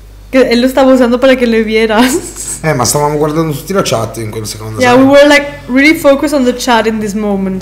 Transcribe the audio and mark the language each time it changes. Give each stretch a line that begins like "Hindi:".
Spanish: Que él lo estaba usando para que lo vieras.
Italian: Ma stavamo guardando tutti la chat in quel secondo.
English: Yeah, we were like really focused on the chat in this moment.